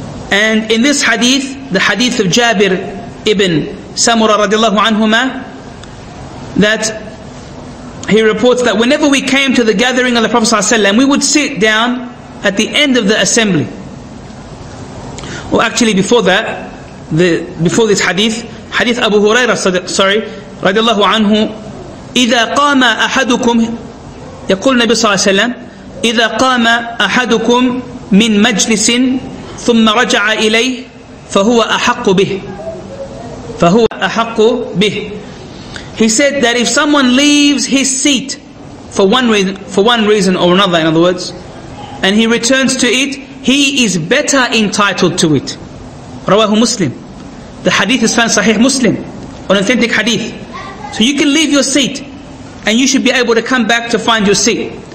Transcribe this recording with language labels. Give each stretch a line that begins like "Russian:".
English: And in this hadith, the hadith of Jabir ibn Samura radiallahu anhuma, that he reports that whenever we came to the gathering of the Prophet sallallahu alaihi wasallam, we would sit down at the end of the assembly. Well, actually before that, before this hadith Abu Hurairah, radiallahu anhu,
Arabic: إِذَا قَامَ أَحَدُكُمْ, يَقُولُ النَّبِي صَلَّى اللَّهُ عَلَيْهِ وَسَلَّمَ, إِذَا قَامَ أَحَدُكُمْ مِنْ مَجْلِسٍ ثُمَّ رَجَعَ إِلَيْهِ فَهُوَ أَحَقُّ بِهِ فَهُوَ أَحَقُّ بِهِ.
English: He said that if someone leaves his seat for one reason or another, in other words, and he returns to it, he is better entitled to it. Rawahu Muslim. The hadith is found Sahih Muslim, an authentic hadith. So you can leave your seat, and you should be able to come back to find your seat.